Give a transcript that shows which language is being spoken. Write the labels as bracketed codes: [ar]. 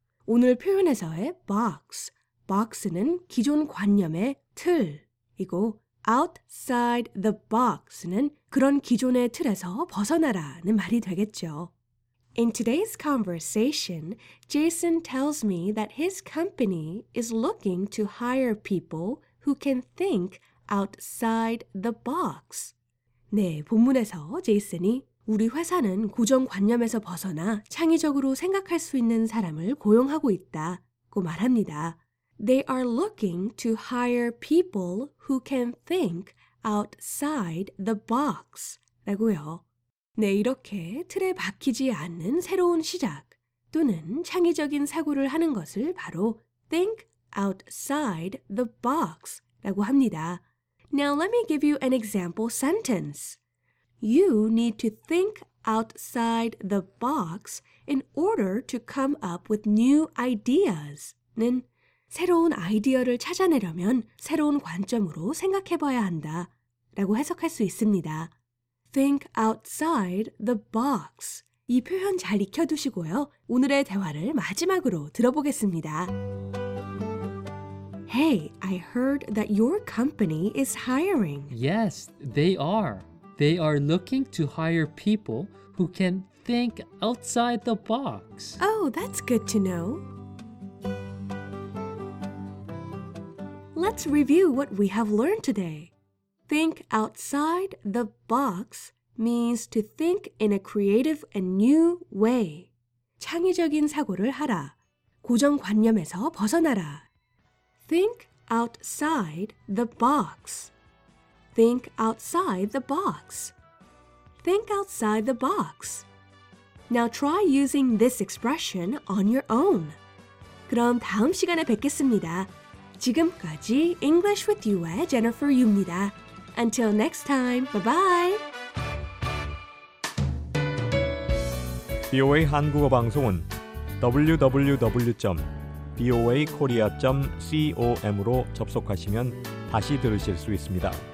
[ko] 오늘 표현에서의 box, box는 기존 관념의 틀이고 outside the box는 그런 기존의 틀에서 벗어나라는 말이 되겠죠. [en] In today's conversation, Jason tells me that his company is looking to hire people who can think outside the box. [ko] 네, 본문에서 제이슨이 우리 회사는 고정관념에서 벗어나 창의적으로 생각할 수 있는 사람을 고용하고 있다고 말합니다. [en] They are looking to hire people who can think outside the box. [ko] 라고요. 네, 이렇게 틀에 박히지 않는 새로운 시작 또는 창의적인 사고를 하는 것을 바로 think outside the box 라고 합니다. [en] Now let me give you an example sentence. You need to think outside the box in order to come up with new ideas. [ko] 는 새로운 아이디어를 찾아내려면 새로운 관점으로 생각해봐야 한다 라고 해석할 수 있습니다. [en] Think outside the box. [ko] 이 표현 잘 익혀두시고요. 오늘의 대화를 마지막으로 들어보겠습니다. [en] Hey, I heard that your company is hiring. Yes, they are. They are looking to hire people who can think outside the box. Oh, that's good to know. Let's review what we have learned today. Think outside the box means to think in a creative and new way. [ko] 창의적인 사고를 하라. 고정관념에서 벗어나라. [en] Think outside the box. Think outside the box. Think outside the box. Now try using this expression on your own. [ko] 그럼 다음 시간에 뵙겠습니다. 지금까지 English with You의 Jennifer Yu입니다. [en] Until next time, bye-bye! [ko] BOA 한국어 방송은 www.boakorea.com으로 접속하시면 다시 들으실 수 있습니다.